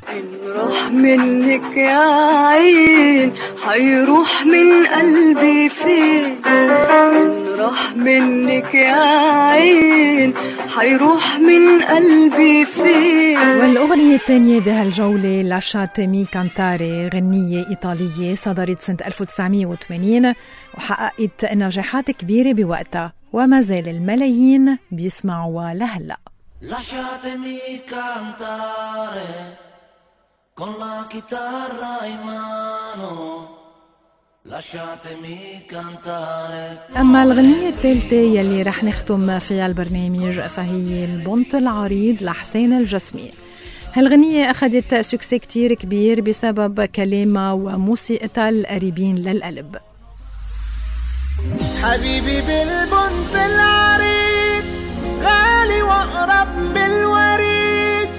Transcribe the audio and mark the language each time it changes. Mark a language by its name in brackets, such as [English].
[Arabic] وين راح منك يا عين حيروح من قلبي فين، وين راح منك يا عين حيروح من قلبي فين. والأغنية الثانية بهالجولة لشاتمي كانتاري، غنية إيطالية صدرت سنة 1980 وحققت نجاحات كبيرة بوقتها وما زال الملايين بيسمعوها لهلأ. [Italian] لشاتمي كانتاري con la chitarra in mano lasciatemi cantare. [Arabic] أما الغنية الثالثة يلي رح نختم فيها البرنامج فهي البنت العريض لحسين الجسمي. هالغنية أخذت سكسي كتير كبير بسبب كلامها وموسيقتها القريبين للقلب. حبيبي بالبنت العريض غالي وأقرب بالوريد.